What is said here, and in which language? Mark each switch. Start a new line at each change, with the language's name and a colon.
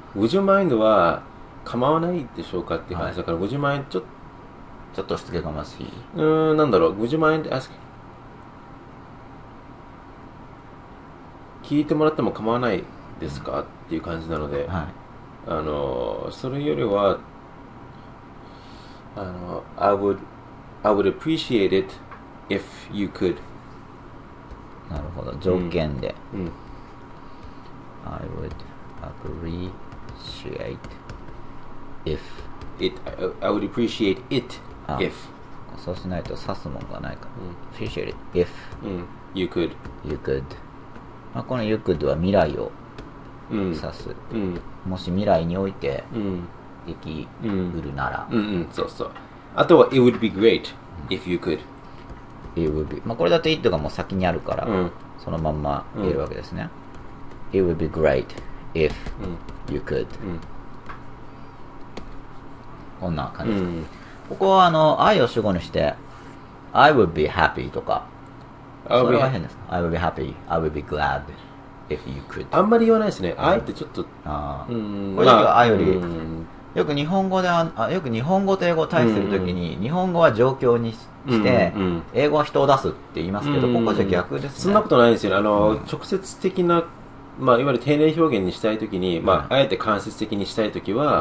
English: Would you mind
Japanese: は構わないでしょうかっていう話だから、はい、Would you mind ちょっとしつけがましい。なんだろう。
English: Would you mind ask?
Japanese: 聞いてもらっても構わないですか、うん、っていう感じなので、はい、それよりは、
English: I would appreciate it if you could.
Japanese: なるほど、条件で。うん。
English: I would appreciate if it. I would appreciate it if.
Japanese: そうしないと刺すもんがないか。
English: Appreciate it if you could. You could.
Japanese: まあ、この you could は未来を指す、うん、もし未来においてできうるなら、うんうんうん、そうそう、あとは
English: it would be great if you could、
Japanese: うん、
English: it would be、
Japanese: まあこれだと it がもう先にあるから、うん、そのまんま言えるわけですね、うん、
English: it would be great if you could、
Japanese: うん、こんな感じですか、うん、ここはあの I を主語にして
English: I would be happy
Japanese: とかそれは変ですか。 I would be happy. I would be glad if you could. あんまり言わないですね。 I ってちょっと、あ、うん、これは I より、うん、よく日本語で、あ、よく日本語と英語を対するときに、うん、日本語は状況にして、うん、英語は人を出すって言いますけど、うん、ここじゃ逆ですね。そんなことないですよね。あの、うん、直接的な、まあ、いわゆる丁寧表現にしたいときに、まあ、はい、あえて間接的にしたいときは、